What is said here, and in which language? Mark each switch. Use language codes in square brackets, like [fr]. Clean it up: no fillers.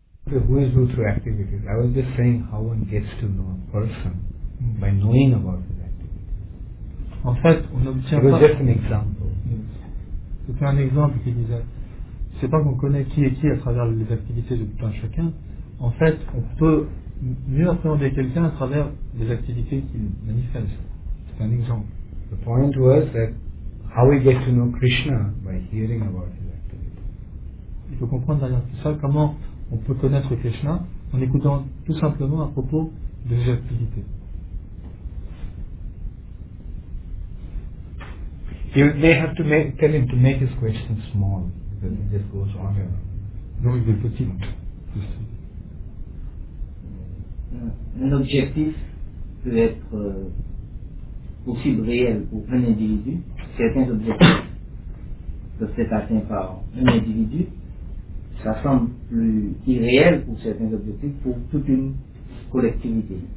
[en] Who is who through activities? I was just saying how one gets to know a person by knowing about his activities. [fr] En fait, on obtient pas. [en] It was just an example. Yes. [fr] C'était un exemple qui disait, c'est pas qu'on connaît qui est qui à travers les activités de tout un chacun. En fait, on peut mieux appréhender quelqu'un à travers les activités qu'il manifeste. C'est un exemple. [en] The point was that how we get to know Krishna by hearing about his activities. [fr] Il faut comprendre derrière tout ça comment. On peut connaître Krishna en écoutant tout simplement à propos de ses activités. [en] They have to make, tell him to make his question small, because it just goes on. [fr] Donc il est petit. Un objectif peut être possible réel pour un individu. Certains objectifs peuvent être atteints par un individu. Ça semble plus irréel pour certains objectifs, pour toute une collectivité.